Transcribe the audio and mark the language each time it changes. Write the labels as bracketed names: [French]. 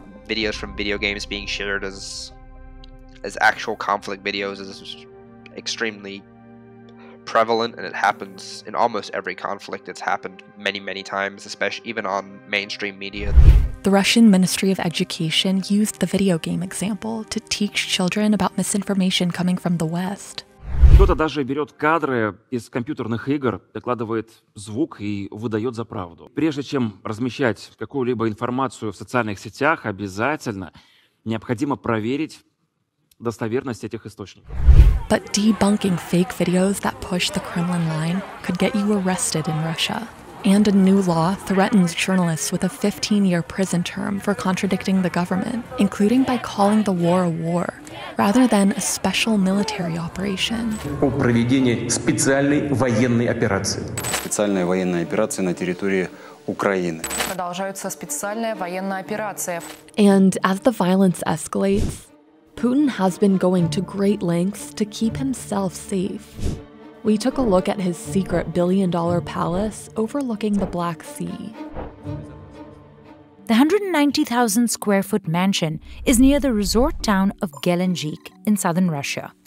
[English] Videos from video games being shared as actual conflict videos is extremely prevalent, and it happens in almost every conflict. It's happened many, many times, especially even on mainstream media. The Russian Ministry of Education used the video game example to teach children about misinformation coming from the West. [Russian] Кто-то даже берет кадры из компьютерных игр, докладывает звук и выдает за правду. Прежде чем размещать какую-либо информацию в социальных сетях, обязательно необходимо проверить достоверность этих источников. [English] But debunking fake videos that push the Kremlin line could get you arrested in Russia. And a new law threatens journalists with a 15-year prison term for contradicting the government, including by calling the war a war, rather than a special military operation. [Russian] О проведении специальной военной операции. Специальная военная операция на территории Украины. Продолжается специальная военная операция. [English] And as the violence escalates, Putin has been going to great lengths to keep himself safe. We took a look at his secret billion-dollar palace overlooking the Black Sea. The 190,000-square-foot mansion is near the resort town of Gelenjik in southern Russia.